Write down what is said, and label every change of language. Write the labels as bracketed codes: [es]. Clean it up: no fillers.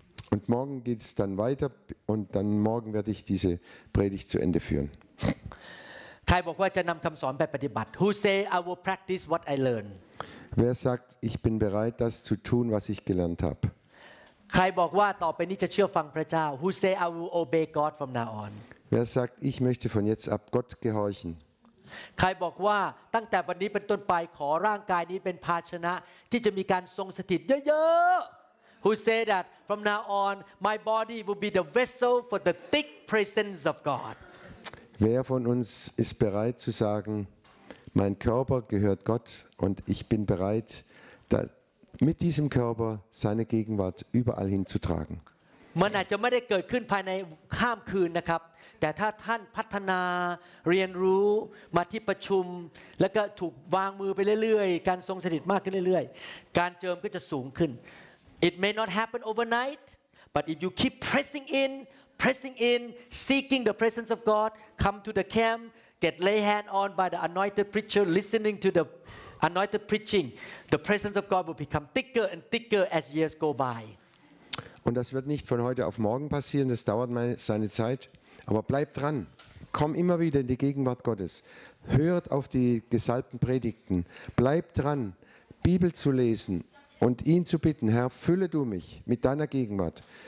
[de] Und morgen geht's dann weiter und dann morgen werde ich diese Predigt zu Ende führen. [th] ใครบอกว่าจะนำคำสอนไปปฏิบัติ [en] Who say I will practice what I learn? [de] Wer sagt, ich bin bereit, das zu tun, was ich gelernt habe? [th] ใครบอกว่าต่อไปนี้จะเชื่อฟังพระเจ้า [en] Who say I will obey God from now on? [de] Wer sagt, ich möchte von jetzt ab Gott gehorchen? [th] ใครบอกว่าตั้งแต่วันนี้เป็นต้นไปขอร่างกายนี้เป็นภาชนะที่จะมีการทรงสถิตเยอะๆ [en] Who say that from now on my body will be the vessel for the thick presence of God? [de] Wer von uns ist bereit zu sagen, mein Körper gehört Gott und ich bin bereit, da mit diesem Körper seine Gegenwart überall hinzutragen? Man hat ja nicht geht [th] ขึ้นภายในข้ามคืนนะครับแต่ถ้าท่านพัฒนาเรียนรู้มาที่ประชุมแล้วก็ถูกวางมือไปเรื่อยๆการทรงสถิตมากขึ้นเรื่อยๆการเจิมก็จะสูงขึ้น [en] It may not happen overnight but if you keep pressing inPressing in, seeking the presence of God, come to the camp, get lay hand on by the anointed preacher, listening to the anointed preaching, the presence of God will become thicker and thicker as years go by. [de] Und das wird nicht von heute auf morgen passieren, das dauert seine Zeit. Aber bleibt dran, komm immer wieder in die Gegenwart Gottes. Hört auf die gesalbten Predigten. Bleibt dran, Bibel zu lesen und ihn zu bitten, Herr, fülle du mich mit deiner Gegenwart.